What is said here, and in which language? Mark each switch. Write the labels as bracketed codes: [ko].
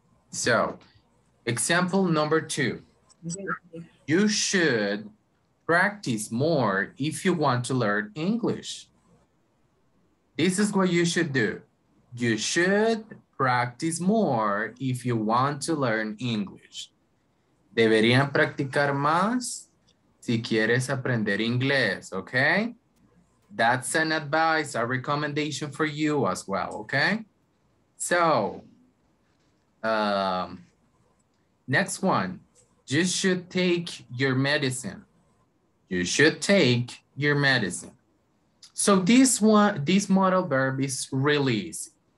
[en] So, example number two. You should practice more if you want to learn English. This is what you should do. You should practice more if you want to learn English. [es] Deberían practicar más si quieres aprender inglés, okay? [en] That's an advice, a recommendation for you as well, okay? So, next one, you should take your medicine. You should take your medicine. So this one, this modal verb is really easy.